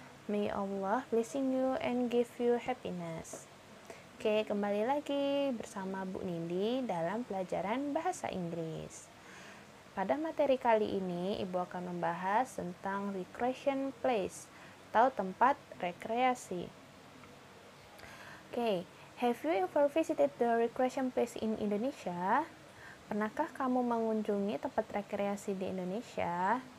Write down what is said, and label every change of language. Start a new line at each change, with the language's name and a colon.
English: May Allah blessing you and give you happiness.
Indonesian: Oke, kembali lagi bersama Bu Nindi dalam pelajaran Bahasa Inggris. Pada materi kali ini, Ibu akan membahas tentang recreation place atau tempat rekreasi.
English: Oke, have you ever visited the recreation place in Indonesia?
Indonesian: Pernahkah kamu mengunjungi tempat rekreasi di Indonesia?